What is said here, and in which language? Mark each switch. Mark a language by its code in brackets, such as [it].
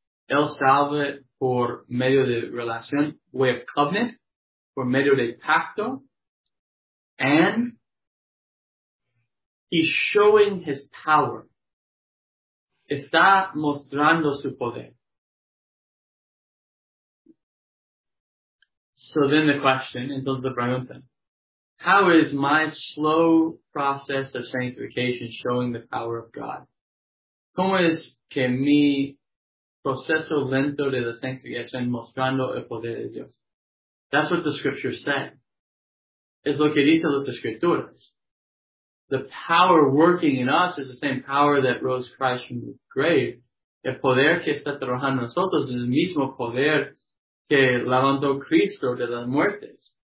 [es] Él salva por medio de relación, [en] way of covenant. [es] Por medio de pacto, [en] and he's showing his power. [es] Está mostrando su poder. [en] So then the question, [es] entonces la pregunta, [en] how is my slow process of sanctification showing the power of God? [es] ¿Cómo es que mi proceso lento de la sanctificación mostrando el poder de Dios? [en] That's what the scriptures say. [es] Es lo que dice las escrituras. [en] The power working in us is the same power that rose Christ from the grave. [es] El poder que está trabajando en nosotros es el mismo poder que levantó Cristo de las muertes.